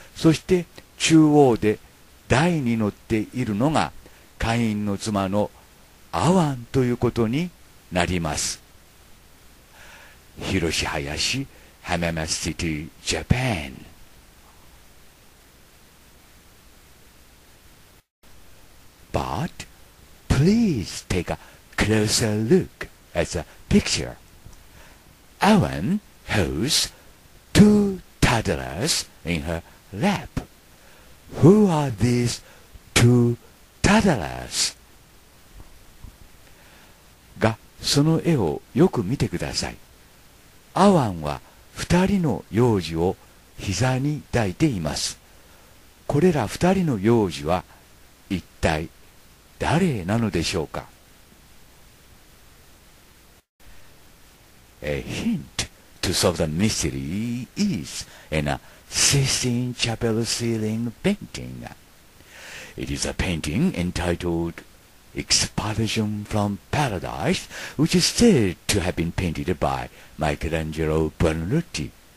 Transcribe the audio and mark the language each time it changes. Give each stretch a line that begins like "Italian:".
Japanese: そして中央で台に乗っているのがカインの妻のアワンということになります。広し林浜松シティジャパン。
English: But please take a closer look at the picture. アワン holds two toddlers in her lap. Who are these two toddlers?
Japanese: が、その絵をよく見てください。アワンは二人の幼児を膝に抱いています。これら二人の幼児は一体誰なのでしょうか。
English: A hint to solve the mystery is in a Sistine Chapel Ceiling Painting. It is a painting entitled Expulsion from Paradise, which is said to have been painted by Michelangelo Buonarroti.